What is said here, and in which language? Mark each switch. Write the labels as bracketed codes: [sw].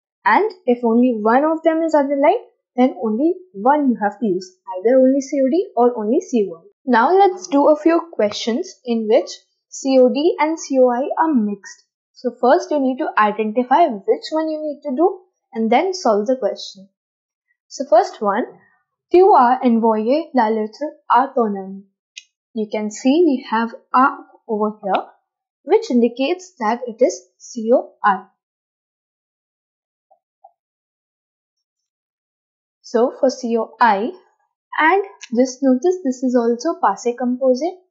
[en] And if only one of them is underlined, then only one you have to use. Either only COD or only COI. Now let's do a few questions in which COD and COI are mixed. So first you need to identify which one you need to do and then solve the question. So first one, [fr] tu a envoyé la lettre à ton ami. [en] You can see we have a over here, which indicates that it is COI. So for COI, and just notice this is also passé composé.